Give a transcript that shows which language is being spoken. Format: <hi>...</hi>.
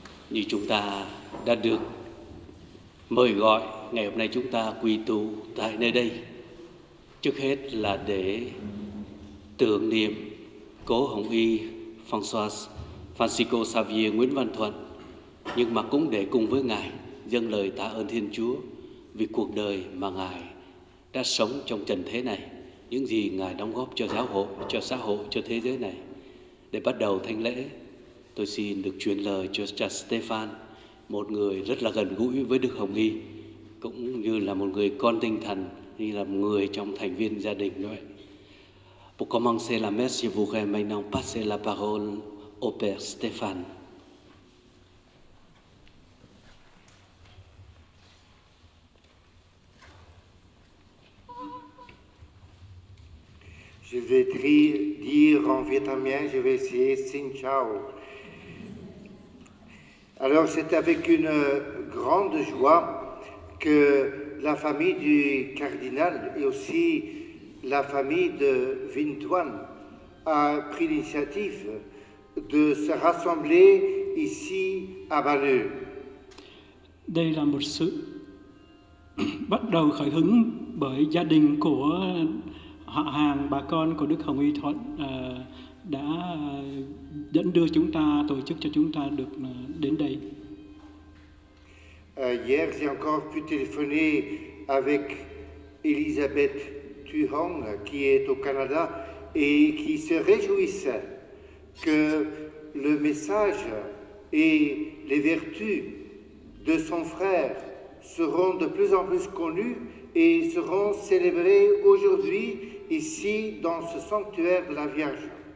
<vi>Như chúng ta đã được mời gọi, ngày hôm nay chúng ta quy tụ tại nơi đây trước hết là để tưởng niệm cố Hồng Y François Francisco Xavier Nguyễn Văn Thuận, nhưng mà cũng để cùng với Ngài dâng lời tạ ơn Thiên Chúa vì cuộc đời mà Ngài đã sống trong trần thế này, những gì Ngài đóng góp cho giáo hội, cho xã hội, cho thế giới này. Để bắt đầu thánh lễ, tôi xin được truyền lời cho cha Stefan, một người rất là gần gũi với Đức Hồng Y, cũng như là một người con tinh thần, như là một người trong thành viên gia đình nói.</vi> <fr>Pour commencer la messe, je voudrais maintenant passer la parole au Père Stéphane. Je vais dire en vietnamien, je vais essayer</fr> <vi>Xin Chào.</vi> <fr>Alors, c'est avec une grande joie que la famille du cardinal et aussi la famille de Vinh Thuan a pris l'initiative de se rassembler ici à Valeu.</fr> <vi>Đây là một sự bắt đầu khởi hứng bởi gia đình của họ hàng bà con của Đức Hồng Y Thuận đã dẫn đưa chúng ta, tổ chức cho chúng ta được đến đây.</vi> <fr>Hier, j'ai encore pu téléphoner avec Elisabeth Thuong, qui est au Canada et qui se réjouissait que le message et les vertus de son frère seront de plus en plus connus et seront célébrés aujourd'hui ici dans ce sanctuaire de la Vierge.</fr>